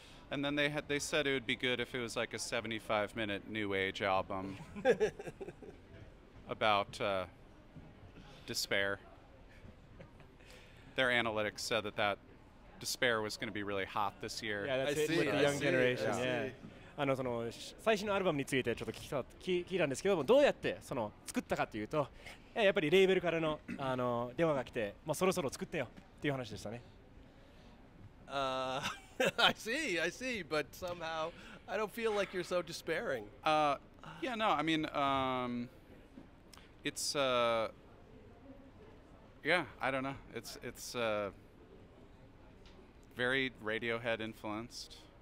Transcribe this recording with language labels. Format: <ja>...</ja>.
<en>And then they said it would be good if it was like a 75-minute new age album about despair. Their analytics said that despair was going to be really hot this year. Yeah, that's it with the young generation.</en> <ja>あのその最新のアルバムについてちょっと聞いたんですけども、どうやってその作ったかというと、やっぱりレーベルからの電話が来て、まあそろそろ作ってよっていう話でしたね。</ja> <en>I see, but somehow I don't feel like you're so despairing. Yeah, no, I mean, it's yeah, I don't know. It's very Radiohead influenced.</en>